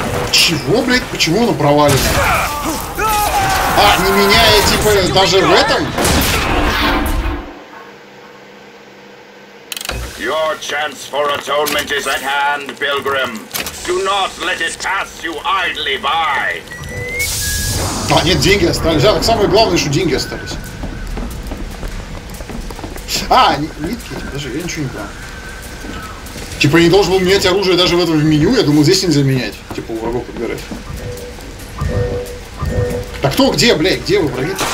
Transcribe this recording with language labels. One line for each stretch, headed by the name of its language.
Russian: Чего, блядь, почему оно провалится? А, не меняя, типа, даже в этом?
English: Your chance for atonement is at hand, Pilgrim. Do not let it pass you idly by.
Russian: А, нет, деньги остались. Так самое главное, что деньги остались. А, нитки, даже я ничего не понял. Типа я не должен был менять оружие даже в этом меню, я думал здесь нельзя менять, типа у врагов подбирать. Так кто где, блядь, где вы, враги?